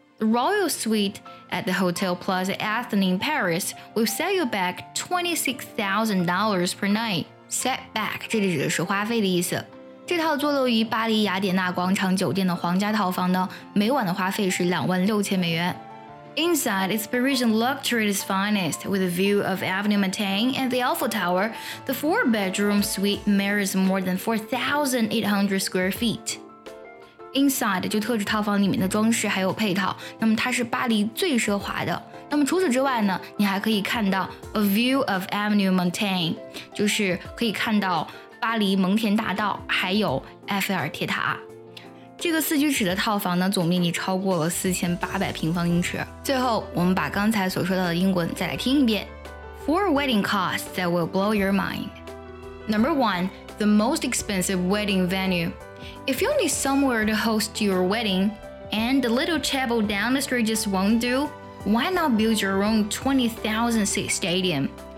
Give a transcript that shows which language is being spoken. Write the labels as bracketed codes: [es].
[en] The Royal Suite at the Hotel Plaza Athénée in Paris will set you back $26,000 per night. [zh] Set back 这里指的是花费的意思。这套坐落于巴黎雅典娜广场酒店的皇家套房呢，每晚的花费是26,000美元。 [en] Inside is Parisian luxury at its finest, with a view of Avenue Montaigne and the Eiffel Tower. The four-bedroom suite measures more than 4,800 square feet. [zh] Inside 就特指套房里面的装饰还有配套，那么它是巴黎最奢华的，那么除此之外呢，你还可以看到 [en] A view of Avenue Montaigne， [zh] 就是可以看到巴黎蒙田大道，还有埃菲尔铁塔。这个四居室的套房呢，总面积超过了4800平方英尺。最后，我们把刚才所说到的英文再来听一遍。 [en] Four wedding costs that will blow your mind. Number one, the most expensive wedding venue. If you need somewhere to host your wedding, and the little chapel down the street just won't do, why not build your own 20,000-seat stadium?